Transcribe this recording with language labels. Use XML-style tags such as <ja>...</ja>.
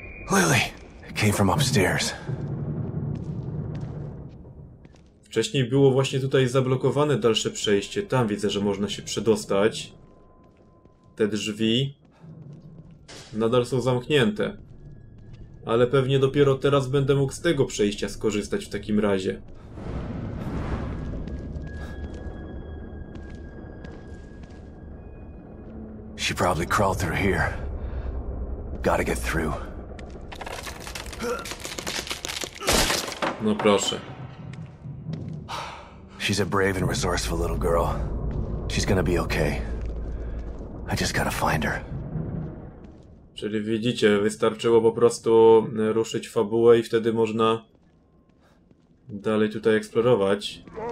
<en>Lily, it came from upstairs.</en> <pl>Wcześniej było właśnie tutaj zablokowane dalsze przejście. Tam widzę, że można się przedostać. Te drzwi nadal są zamknięte. Ale pewnie dopiero teraz będę mógł z tego przejścia skorzystać w takim razie.</pl> <en>She probably crawled through here. Gotta get through.</en> <pl>No proszę.</pl> <en>She's a brave and resourceful little girl. She's gonna be okay. I just gotta find her.</en> <pl>Czyli widzicie, wystarczyło po prostu ruszyć fabułę i wtedy można dalej tutaj eksplorować.</pl>